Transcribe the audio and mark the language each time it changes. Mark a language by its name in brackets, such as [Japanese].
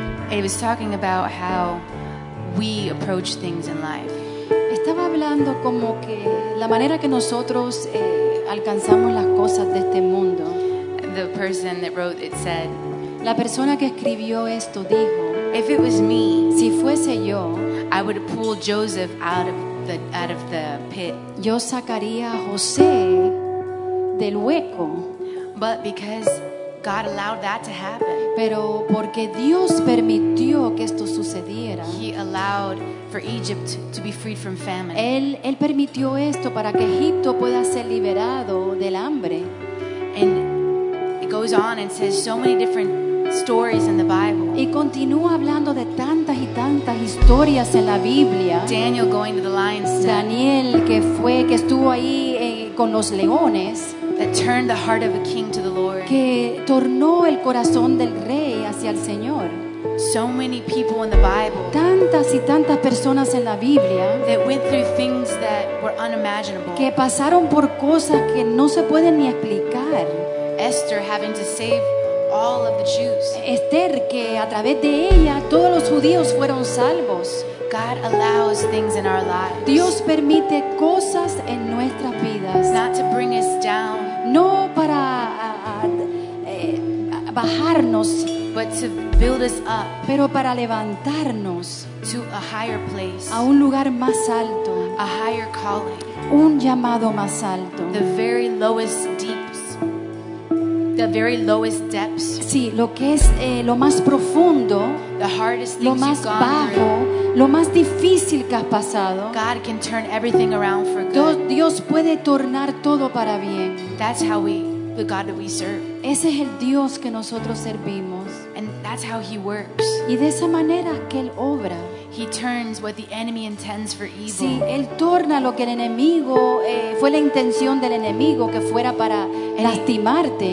[English] It was talking about how we approach things in life. [Spanish] Estaba hablando como que la manera que nosotros alcanzamos las cosas de este mundo. [English] The person that wrote it said, [Spanish] la persona que escribió esto dijo, [English] if it was me, [Spanish] si fuese yo, [English] I would pull Joseph out of the pit. [Spanish] Yo sacaría a José del hueco. [English] But because God allowed that to happen. [Spanish] Pero porque Dios permitió que esto sucediera. [English] He allowed for Egypt to be freed from famine. [Spanish] Él permitió esto para que Egipto pueda ser liberado del hambre. [English] And it goes on and says so many different stories in the Bible. [Spanish] Y continúa hablando de tantas y tantas historias en la Biblia. [English] Daniel going to the lion's den. [Spanish] Daniel que estuvo ahí con los leones. [English] That turned the heart of a king to the Lord. [Spanish] Que tornó el corazón del rey hacia el Señor. [English] So many people in the Bible. [Spanish] Tantas y tantas personas en la Biblia. [English] That went through things that were unimaginable. [Spanish] Que pasaron por cosas que no se pueden ni explicar. [English] Esther having to save all of the Jews. [Spanish] Esther, que a través de ella todos los judíos fueron salvos. [English] God allows things in our lives. [Spanish] Dios permite cosas en nuestras vidas. [English] Not to bring us down. [Spanish] No para bajarnos. [English] But to build us up. [Spanish] Pero para levantarnos. [English] To a higher place. [Spanish] A un lugar más alto. [English] A higher calling. [Spanish] Un llamado más alto. [English] The very lowest deep. The very lowest depths. [Spanish] Sí, lo que es lo más profundo, [English] the hardest [Spanish] lo más [English] you've gone [Spanish] bajo, [English] through, [Spanish] lo más difícil que has pasado. [English] God can turn everything around for good. [Spanish] Dios puede tornar todo para bien. [English] That's how we, the God that we serve. [Spanish] Ese es el Dios que nosotros servimos. [English] And that's how He works. [Spanish] Y de esa manera que él obra. [English] He turns what the enemy intends for evil. [Spanish] Sí, él torna lo que el enemigo fue la intención del enemigo que fuera para lastimarte.